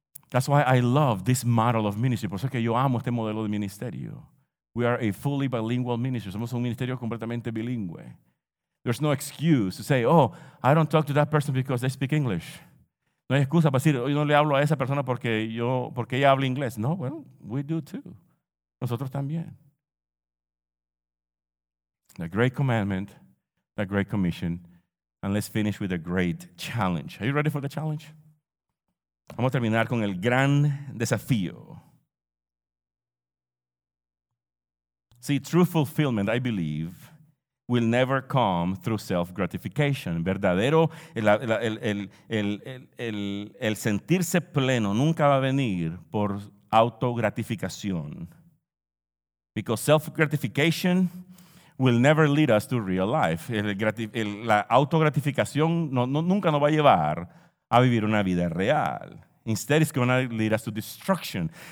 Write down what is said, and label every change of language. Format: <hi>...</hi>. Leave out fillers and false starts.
<en>That's why I love this model of ministry.</en> <es>Por eso es que yo amo este modelo de ministerio.</es> <en>We are a fully bilingual ministry.</en> <es>Somos un ministerio completamente bilingüe.</es> <en>There's no excuse to say, oh, I don't talk to that person because they speak English.</en> <es>No hay excusa para decir, oh, yo no le hablo a esa persona porque ella habla inglés.</es> <en>No, well, we do too.</en> <es>Nosotros también.</es> <en>The great commandment, the great commission, and let's finish with a great challenge. Are you ready for the challenge?</en> <es>Vamos a terminar con el gran desafío.</es> <en>See, true fulfillment, I believe, will never come through self-gratification.</en> <es>Verdadero, el sentirse pleno nunca va a venir por autogratificación.</es> <en>Because self-gratification will never lead us to real life.</en> <es>La autogratificación nunca nos va a llevar a vivir una vida real.</es> <en>Instead, it's going to lead us to destruction.</en>